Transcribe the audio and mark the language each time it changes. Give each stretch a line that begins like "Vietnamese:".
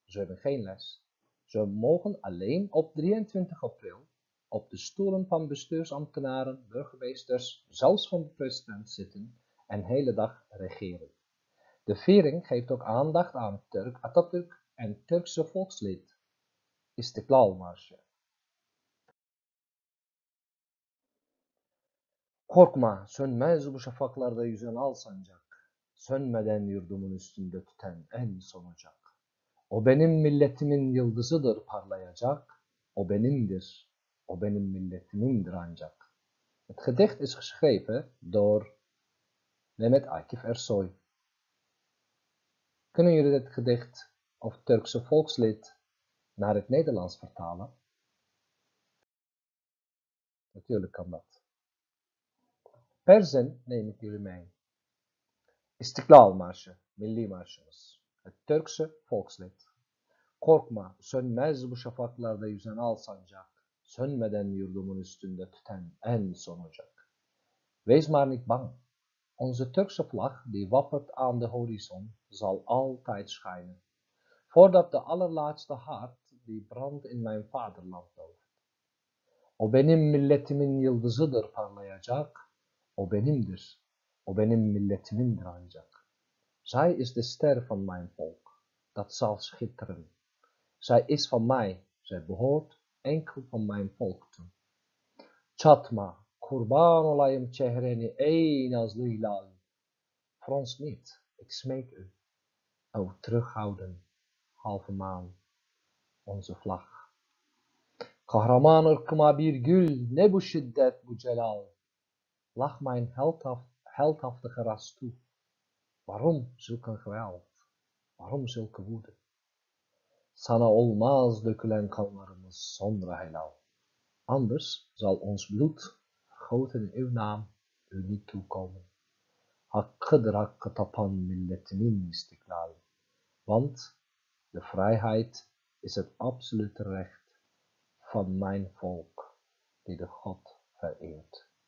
Dutch: Ze hebben geen les. Ze mogen alleen op 23 april op de stoelen van bestuursambtenaren, burgemeesters, zelfs van de president zitten en de hele dag regeren. De viering geeft ook aandacht aan Turk Atatürk en Turkse volkslied İstiklalmarşı.
Turkish: Korkma, sönmez bu şafaklarda yüzen al sancak. Sönmeden yurdumun üstünde tüten en son ocak. O benim milletimin yıldızıdır parlayacak. O benimdir. O benim milletimindir ancak.
Dutch: Het gedicht is geschreven door Mehmet Akif Ersoy. Kunnen jullie dit gedicht of Turkse volkslied naar het Nederlands vertalen? Natuurlijk kan dat. Persen neem ik jullie mee.
Turkish: İstiklal Marşı, Milli Marşımız.
Dutch: Het Turkse volkslied.
Turkish: Korkma, sönmez bu şafaklarda yüzen al sancak. Sönmeden yurdumun üstünde tüten en son ocak.
Dutch: Wees maar niet bang. Onze Turkse vlag die wappert aan de horizon zal altijd schijnen. Voordat de allerlaatste haard die brandt in mijn vaderland dooft.
Turkish: O benim milletimin yıldızıdır parlayacak. O benimdir. O benim milletimindir ancak.
Dutch: Zij is de ster van mijn volk. Dat zal schitteren. Zij is van mij, zij behoort enkel van mijn volk toe.
Turkish: Çatma, kurban olayım çehreni ey nazlı hilal.
Dutch: Frons niet, ik smeek u. O terughouden, halve maan, onze vlag.
Turkish: Kahraman ırkıma bir gül, ne bu şiddet bu celal.
Dutch: Lach mijn heldhaftige ras toe. Waarom zulke geweld? Waarom zulke woede?
Turkish: Sana olmaz dökülen kanlarımız sonra helal.
Dutch: Anders zal ons bloed, vergoten in uw naam, u niet toekomen.
Turkish: Hakkıdır hakkı tapan milletimin istiklal.
Dutch: Want de vrijheid is het absolute recht van mijn volk, die de God vereert.